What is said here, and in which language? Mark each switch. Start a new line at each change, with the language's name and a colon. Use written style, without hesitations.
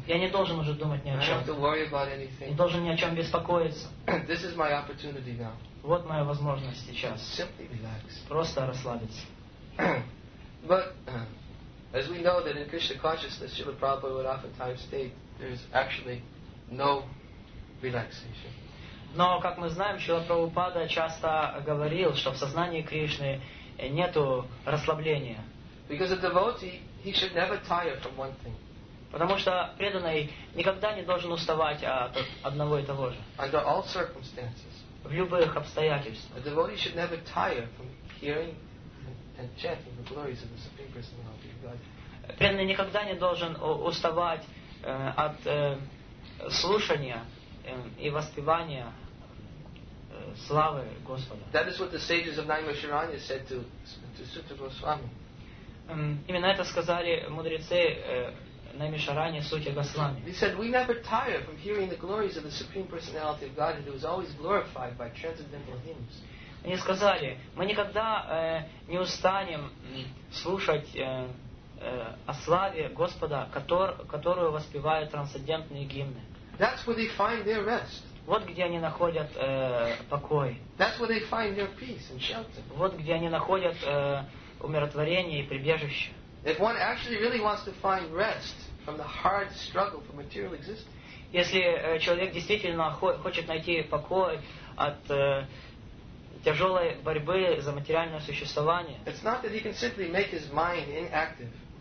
Russian: Я не должен уже думать ни о чем.
English: I don't have to worry about anything.
Russian: Не должен ни о чем беспокоиться.
English: This is my opportunity now.
Russian: Вот моя возможность сейчас.
English: Simply relax.
Russian: Просто расслабиться.
English: But as we know that in Krishna consciousness, Srila Prabhupada would oftentimes state there's actually no relaxation.
Russian: Но, как мы знаем, Шрила Прабхупада часто говорил, что в сознании Кришны нету расслабления.
English: Because a devotee, he should never tire from one thing.
Russian: Потому что преданный никогда не должен уставать от одного и того же.
English: Under all circumstances.
Russian: В любых обстоятельствах.
English: A devotee should never tire from hearing and chanting the glories of the Supreme Personality of God.
Russian: Преданный никогда не должен уставать от слушания и воспевания славы Господа.
English: That is what the sages of Naimasharanya said to Sutta Goswami.
Russian: Именно это сказали мудрецы Наймишарани Сути Госвами.
English: He said, we never tire from hearing the glories of the Supreme Personality of God, and it was always glorified by transcendental hymns.
Russian: Они сказали, мы никогда не устанем слушать о славе Господа, которую воспевают трансцендентные гимны.
English: That's where they find their rest.
Russian: Вот где они находят покой.
English: That's where they find their peace and shelter.
Russian: Вот где они находят умиротворение и прибежище.
English: If one actually really wants to find rest from the hard struggle for material existence.
Russian: Если человек действительно хочет найти покой от тяжелой борьбы за материальное существование.
English: It's not that he can simply make his mind inactive.